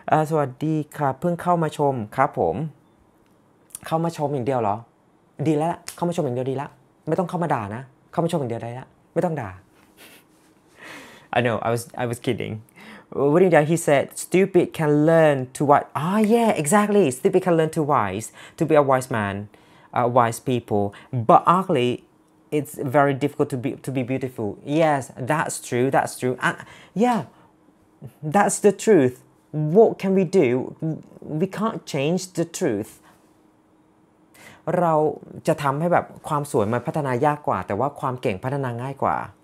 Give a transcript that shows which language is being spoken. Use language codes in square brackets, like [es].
[th] สวัสดีค่ะเพิ่งเข้ามาชมครับผมเข้ามาชมอย่างเดียวเหรอดีแล้วเข้ามาชมอย่างเดียวดีแล้วไม่ต้องเข้ามาด่านะเข้ามาชมอย่างเดียวได้แล้วไม่ต้องด่า [en] I know I was kiddingWhat did he said? Stupid can learn to wise. Ah, yeah, exactly. Stupid can learn to wise, to be a wise man, wise people. But ugly, it's very difficult to be beautiful. Yes, that's true. That's true. Yeah, that's the truth. What can we do? We can't change the truth. [th] เราจะทำให้แบบความสวยมันพัฒนายากกว่าแต่ว่าความเก่งพัฒนาง่ายกว่า